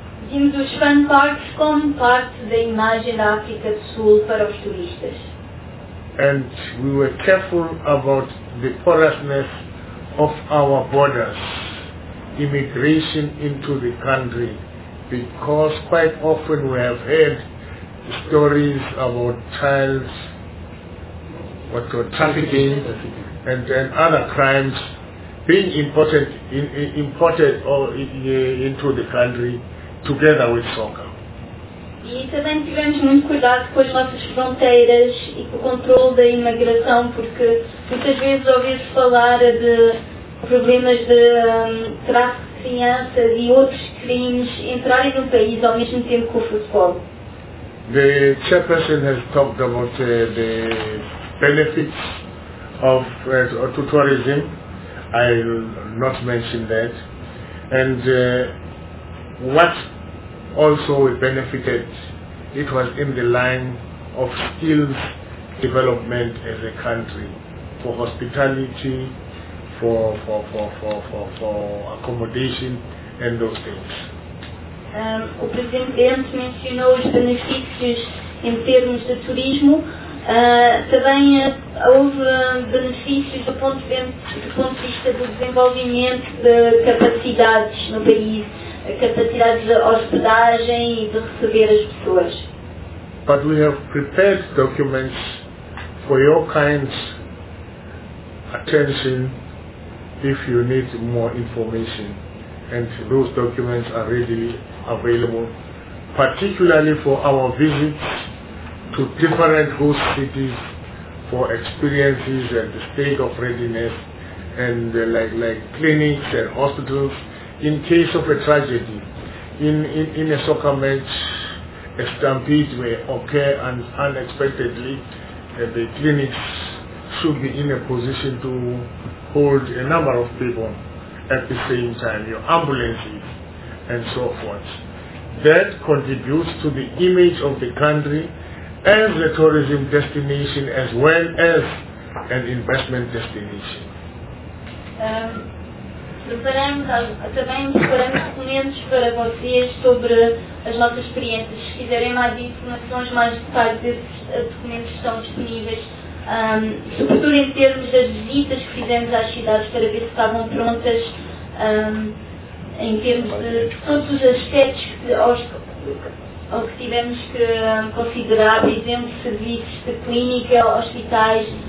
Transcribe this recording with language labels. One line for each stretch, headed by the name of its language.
Portuguese: Vimos os fan parks como parte da imagem da África do Sul para os turistas.
English: And we were careful about the porousness of our borders, immigration into the country, because quite often we have heard stories about child's trafficking and other crimes being imported into the country together with soccer.
Portuguese: E também tivemos muito cuidado com as nossas fronteiras e com o controle da imigração, porque muitas vezes ouvi-se falar de problemas de tráfico de crianças e outros crimes entrarem no país ao mesmo tempo com o futebol.
English: The chairperson has talked about the benefits of tourism. I will not mention that. And what also we benefited, it was in the line of skills development as a country, for hospitality, for accommodation and those things.
Portuguese: O presidente mencionou os benefícios em termos de turismo. Também houve benefícios do ponto de vista do desenvolvimento de capacidades no país, capacidades de hospedagem e de receber as pessoas.
English: But we have prepared documents for your kind attention if you need more information, and those documents are readily available, particularly for our visits to different host cities for experiences and the state of readiness and like clinics and hospitals in case of a tragedy. In a soccer match, a stampede may occur and unexpectedly, the clinics should be in a position to hold a number of people at the same time, your ambulances and so forth. That contributes to the image of the country as a tourism destination as well as an investment destination.
Portuguese: Também preparamos documentos para vocês sobre as nossas experiências. Se quiserem mais informações, mais detalhes, esses documentos estão disponíveis, sobretudo em termos das visitas que fizemos às cidades para ver se estavam prontas, em termos de todos os aspectos que tivemos que considerar, por exemplo, serviços de clínica, hospitais.